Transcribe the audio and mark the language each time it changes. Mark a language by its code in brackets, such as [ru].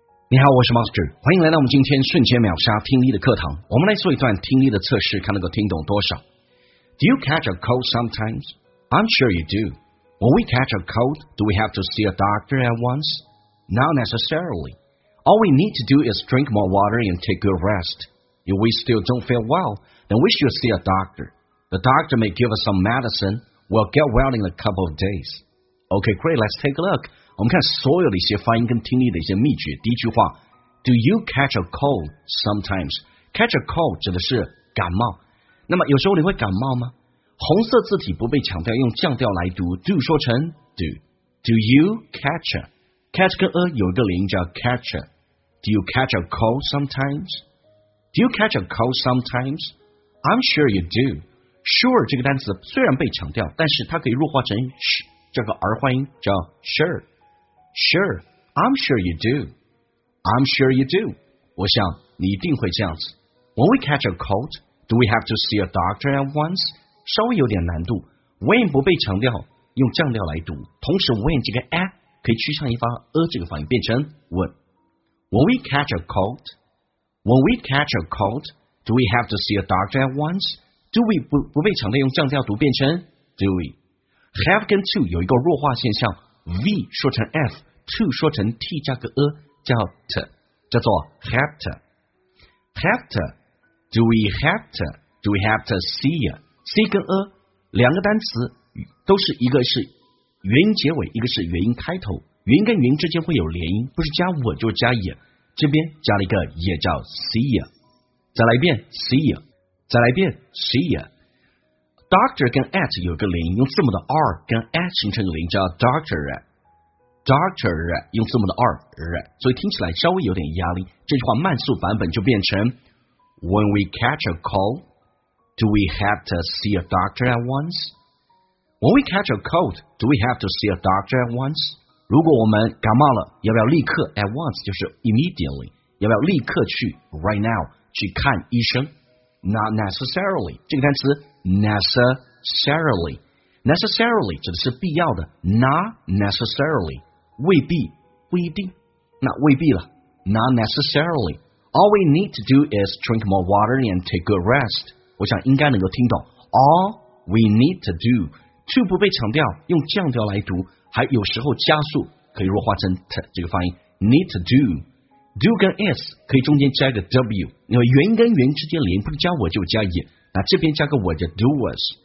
[zh] 你好，我是 Master， 欢迎来到我们今天瞬间秒杀听力的课堂。我们来做一段听力的测试，看能够听懂多少。 [en] Do you catch a cold sometimes? I'm sure you do. When we catch a cold, do we have to see a doctor at once? Not necessarily. All we need to do is drink more water and take good rest. If we still don't feel well, then we should see a doctor. The doctor may give us some medicine. We'll get well in a couple of days. Okay, great, let's take a look. [zh] 我们看所有的一些发音跟听力的一些秘诀。第一句话 [en] ，Do you catch a cold sometimes? [zh] Catch a cold 指的是感冒。那么有时候你会感冒吗？红色字体不被强调，用降调来读 ，do 说成 do。 [en] Do you catch a? [zh] Catch 跟 a 有一个连音叫 catch a。 [en] Do you catch a cold sometimes? Do you catch a cold sometimes? I'm sure you do. [zh] Sure 这个单词虽然被强调，但是它可以弱化成 sh 这个儿化音叫 sure。 [en] Sure, I'm sure you do. I'm sure you do. [zh] 我想你一定会这样子。 [en] When we catch a cold, do we have to see a doctor at once? [zh] 稍微有点难度。 When 不被强调，用降调来读。同时 ，when 这个 a 可以趋向一发 a 这个发音，变成 when。 [en] When we catch a cold, when we catch a cold, do we have to see a doctor at once? [zh] Do we 不被强调，用降调读变成 do we? Have 跟 to 有一个弱化现象。 V 说成 F， to 说成 T 加个 a 叫 t， 叫做 have to， have to， do we have to， do we have to see ya？ C 跟 a 两个单词都是一个是元音结尾，一个是元音开头，元音跟元音之间会有连音，不是加我就是加也，这边加了一个也叫 see ya， 再来一遍 see ya， 再来一遍 see ya。 Doctor 跟 at 有个连音，用字母的 r 跟 at 形成个连音叫 doctor at， doctor at 用字母的 r， 所以听起来稍微有点压力。这句话慢速版本就变成 [en] When we catch a cold, do we have to see a doctor at once? When we catch a cold, do we have to see a doctor at once? [zh] 如果我们感冒了，要不要立刻 at once 就是 immediately， 要不要立刻去 right now 去看医生？ Not necessarily 这个单词。 Necessarily 指的是必要的 Not necessarily 未必不一定那未必了 Not necessarily [en] All we need to do is drink more water and take good rest [zh] 我想应该能够听懂 All we need to do To 不被强调用降调来读还有时候加速可以弱化成 T 这个发音 Need to do Do 跟 is 可以中间加一个 W 因为元跟元之间连不加我就加也那这边加个我叫 do was